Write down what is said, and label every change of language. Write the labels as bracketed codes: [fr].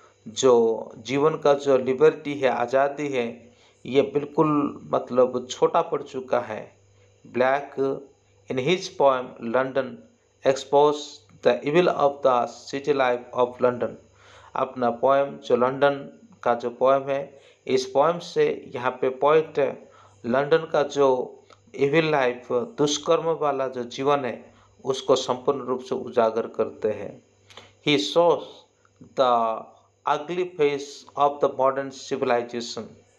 [hi] जो जीवन का जो लिबर्टी है, आज़ादी है, ये बिल्कुल मतलब छोटा पड़ चुका है. [en] Black In his poem London expose the evil of the city life of London. [hi] अपना poem जो London का जो poem है, इस poem से यहाँ पे poet London का जो evil life, दुष्कर्म वाला जो जीवन है उसको संपूर्ण रूप से उजागर करते हैं. [en] He shows the ugly face of the modern civilization.